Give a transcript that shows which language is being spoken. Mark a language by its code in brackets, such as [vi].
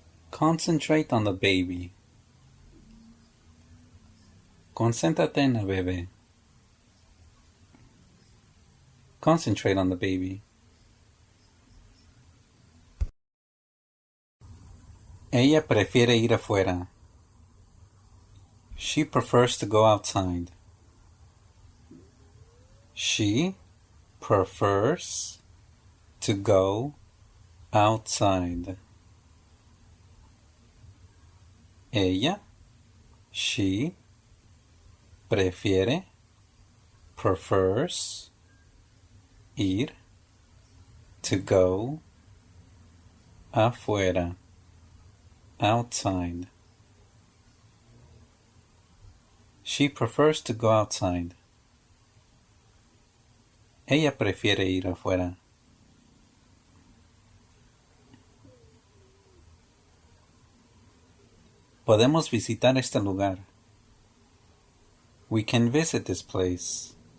[en] Concentrate on the baby. [es] Concéntrate en la bebé. [en] Concentrate on the baby. [es] Ella prefiere ir afuera. [en] She prefers to go outside. She prefers to go outside. [es] Ella, [en] she [es] prefiere, [en] prefers [es] ir, [en] to go, [es] afuera, [en] outside. She prefers to go outside. [es] Ella prefiere ir afuera. Podemos visitar este lugar. [en] We can visit this place.